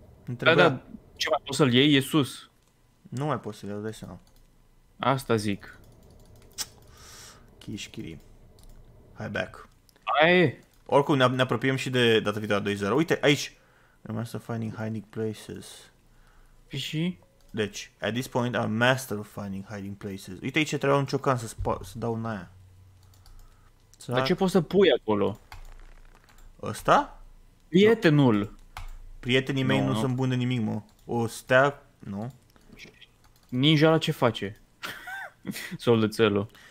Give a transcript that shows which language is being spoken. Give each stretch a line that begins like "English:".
Romanian: Întrebuia... Da, da, ce mai poți să-l iei? E sus. Nu mai poți să-l iau, dai seama. Asta zic. Kishkiri. Hai
English: back.
Romanian: Hai. Oricum, ne apropiem și de data viitoare 2-0. Uite, aici.
English: Master finding hiding places.
Romanian: Și? Deci,
English: at this point, I'm master of finding hiding places.
Romanian: Uite aici, trebuia un ciocan să, să dau în aia. Dar ce poți să pui acolo? Ăsta? Prietenul. Prietenii mei nu sunt buni de nimic, mă. O stea... Nu. Ninja la ce face? Soldățelul.